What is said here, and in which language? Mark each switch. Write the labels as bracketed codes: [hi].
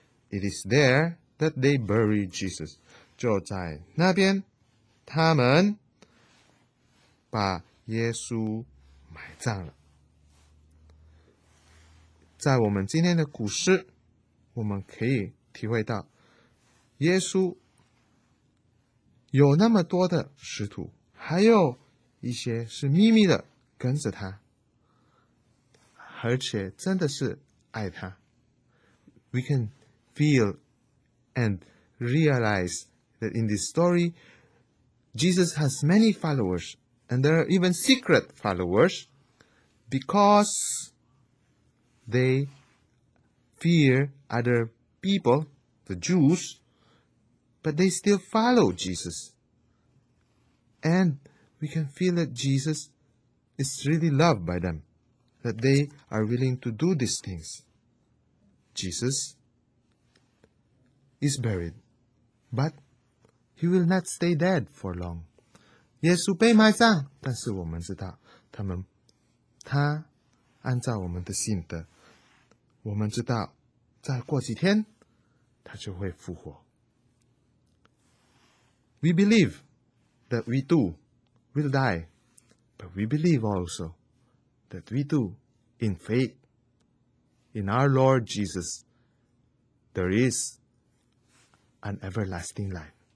[en] It is there that they bury Jesus， [zh] 就在那边，他们把耶稣埋葬了。在我们今天的故事，我们可以体会到耶稣。有那么多的使徒，还有一些是秘密的跟着他，而且真的是爱他。 [en] We can feel and realize that in this story, Jesus has many followers, and there are even secret followers, because they fear other people, the Jews, but they still follow Jesus. And we can feel that Jesus is really loved by them, that they are willing to do these things. Jesus is buried, but he will not stay dead for long. [zh] 耶稣被埋葬，但是我们知道，他按照我们的信德，我们知道，再过几天，他就会复活。 [en] We believe. That we too will die, but we believe also that we too, in faith, in our Lord Jesus, there is an everlasting life.